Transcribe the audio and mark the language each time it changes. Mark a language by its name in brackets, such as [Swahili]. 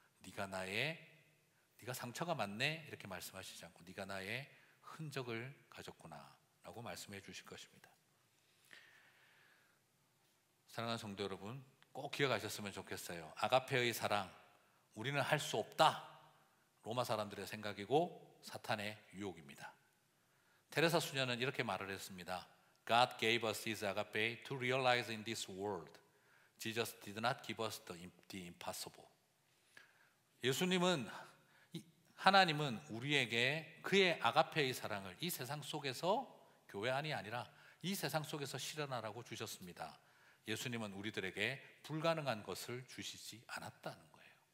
[Korean] 네가 나의, 네가 상처가 많네 이렇게 말씀하시지 않고 네가 나의 흔적을 가졌구나 라고 말씀해 주실 것입니다. 사랑하는 성도 여러분, 꼭 기억하셨으면 좋겠어요. 아가페의 사랑, 우리는 할 수 없다, 로마 사람들의 생각이고 사탄의 유혹입니다. 테레사 수녀는 이렇게 말을 했습니다. [English] God gave us his agape to realize in this world. Jesus did not give us the impossible. [Korean] 예수님은, 하나님은 우리에게 그의 아가페의 사랑을 이 세상 속에서, 교회 안이 아니라 이 세상 속에서 실현하라고 주셨습니다. 예수님은 우리들에게 불가능한 것을 주시지 않았다는 거예요.